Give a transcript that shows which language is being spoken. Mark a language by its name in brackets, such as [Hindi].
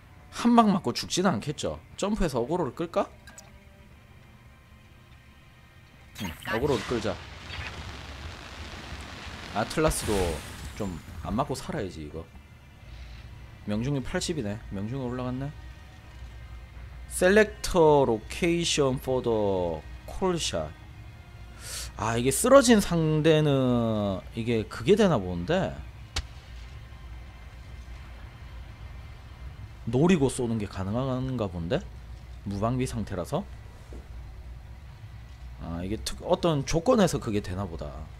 [Korean] 한 방 맞고 죽지는 않겠죠? 점프해서 어그로를 끌까? 응, 어그로를 끌자. 아틀라스도 좀 안 맞고 살아야지 이거. 명중률 80이네. 명중률 올라갔네. [English] Select location for the call shot. [Korean] 아, 이게 쓰러진 상대는 이게 그게 되나 본데. 노리고 쏘는 게 가능한가 본데. 무방비 상태라서. 아, 이게 어떤 조건에서 그게 되나 보다.